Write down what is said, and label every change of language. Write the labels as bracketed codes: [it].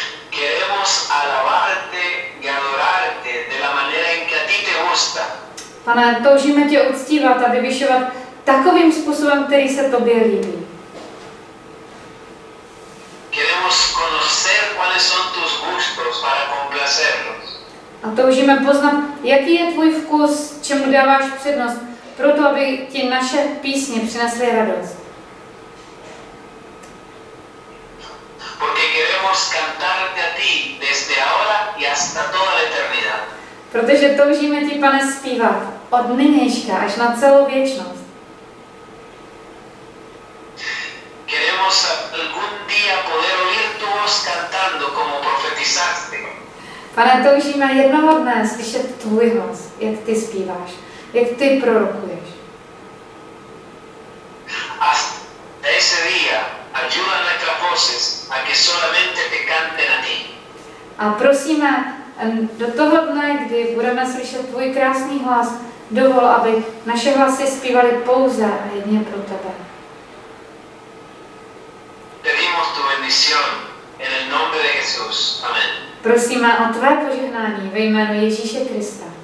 [es] Queremos alabarte y adorarte de la manera en que a ti te gusta. [cs] Pane, toužíme tě uctívat a vyvyšovat takovým způsobem, který se tobě líbí. [es] Queremos conocer cuáles son tus gustos para complacerlos. [cs] A toužíme poznat, jaký je tvůj vkus, čemu dáváš přednost, proto aby ti naše písně přinesly radost. [es] Porque queremos cantarte a ti desde ahora y hasta toda la eternidad. [cs] Protože toužíme ti, Pane, zpívat od nynějška až na celou věčnost. [es] Queremos algún día poder oír tu voz cantando como profetizaste. [cs] Pane, toužíme jednoho dne slyšet tvůj hlas, jak ty zpíváš, jak ty prorokuješ. [es] Hasta ese día ayuda nuestras voces a que solamente te canten a ti. [cs] A prosíme, do toho dne, kdy budeme slyšet tvůj krásný hlas, dovol, aby naše hlasy zpívaly pouze a jedině pro tebe. [es] Pedimos tu bendición en el nombre de Jesús. Amén. [cs] Prosíme o tvé požehnání ve jménu Ježíše Krista.